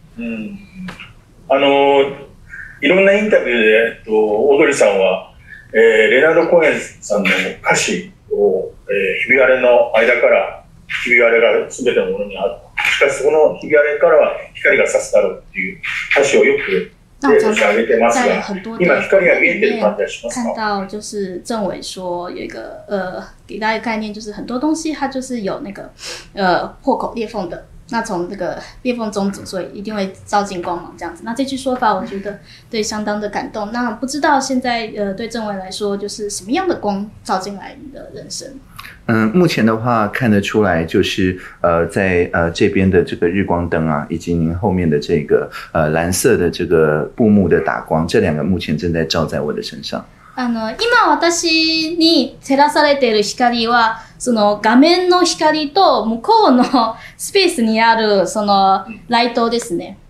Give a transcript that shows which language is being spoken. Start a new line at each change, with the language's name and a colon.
Japanese: うん、いろんなインタビューで、オドリーさんは、レナード・コエンさんの歌詞を、ひび割れの間からひび割れが全てのものにある、しかしそのひび割れからは光が差すだろうっていう歌詞をよく申し上げてますが、今光が見えてる感じがしますか？
Chinese: 看到就是政委说有一个给大家概念，就是很多东西它就是有那个破口裂缝的，那从那个裂缝中走，所以一定会照进光芒，这样子。那这句说法我觉得对相当的感动。那不知道现在对政委来说，就是什么样的光照进来你的人生？目前的话看得出来，就是在这边的这个日光灯啊，以及您后面的这个蓝色的这个布幕的打光，这两个目前正在照在我的身上。
Japanese: 今私に照らされている光は、その画面の光と向こうのスペースにあるそのライトですね。